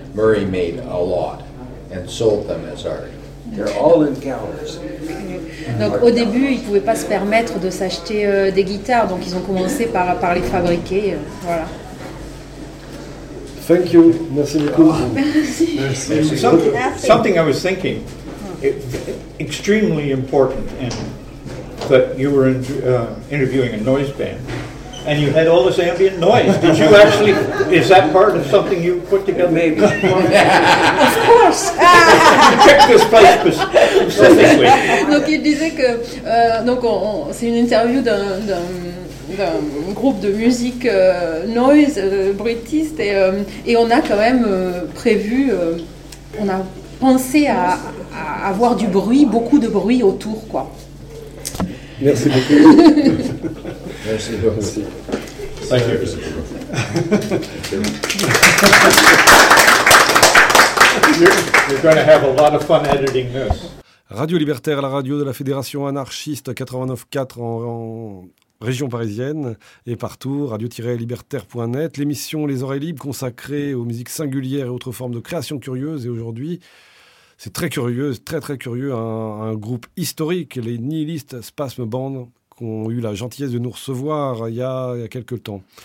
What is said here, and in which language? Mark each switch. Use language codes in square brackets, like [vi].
[en] Murray made a lot and sold them as art. They're all in galleries. [fr] Donc au début, ils pouvaient pas se permettre de s'acheter des guitares, donc ils ont commencé par les fabriquer. Voilà. [en] Thank you. [fr] Merci beaucoup. Merci. [en] Something I was thinking, extremely important and. That you were interviewing a noise band, and you had all this ambient noise. Did you actually? Is that part of something you put together? Maybe. Of course. Check this place specifically. [fr] Donc il disait que donc c'est une interview d'un groupe de musique noise bruitiste et on a quand même prévu on a pensé à avoir du bruit, beaucoup de bruit autour, quoi. Merci beaucoup. Merci beaucoup. Merci. Merci. [en] You're going to have a lot of fun editing this. [fr] Radio Libertaire, la radio de la Fédération anarchiste 89.4 en région parisienne et partout, radio-libertaire.net. L'émission Les Oreilles Libres consacrée aux musiques singulières et autres formes de création curieuse. Et aujourd'hui, c'est très curieux, très très curieux, un groupe historique, les Nihilist Spasm Band, qui ont eu la gentillesse de nous recevoir il y a quelques temps.